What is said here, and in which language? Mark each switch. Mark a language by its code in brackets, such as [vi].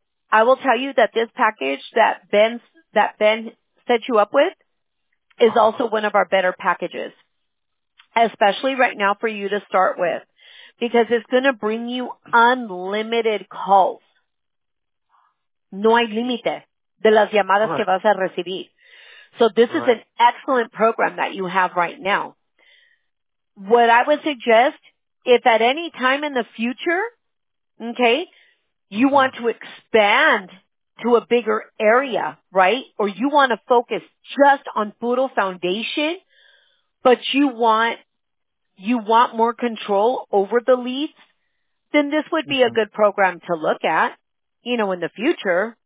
[en] I will tell you that this package that Ben set you up with is also one of our better packages, especially right now for you to start with, because it's going to bring you unlimited calls. [es] No hay límite de las llamadas que vas a recibir. [en] So this is an excellent program that you have right now. What I would suggest, if at any time in the future, okay, you want to expand to a bigger area, right? Or you want to focus just on Poodle Foundation, but you want more control over the leads, then this would be a good program to look at, you know, in the future.